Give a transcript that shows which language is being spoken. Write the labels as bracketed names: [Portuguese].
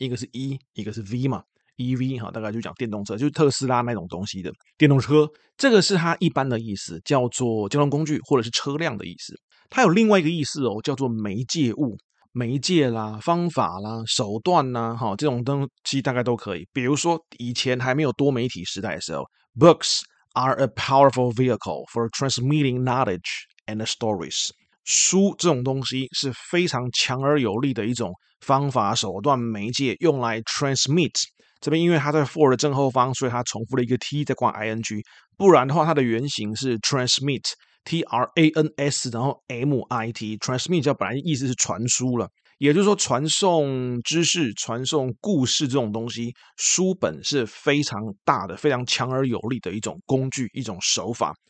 [Chinese] 一个是 E，一个是 V 嘛。EV 大概就讲电动车，就是特斯拉那种东西的电动车，这个是它一般的意思，叫做交通工具或者是车辆的意思。它有另外一个意思哦，叫做媒介物、媒介啦、方法啦、手段啦，这种东西大概都可以。比如说以前还没有多媒体时代的时候， [English] books are a powerful vehicle for transmitting knowledge and stories。 [Chinese] 书这种东西是非常强而有力的一种方法、手段、媒介，用来 transmit。这边因为它在 for 的正后方，所以它重复了一个 t 再挂 ing，不然的话，它的原型是 transmit，TRANS，然后 MIT，transmit 叫本来意思是传输了，也就是说传送知识、传送故事这种东西，书本是非常大的、非常强而有力的一种工具、一种手法。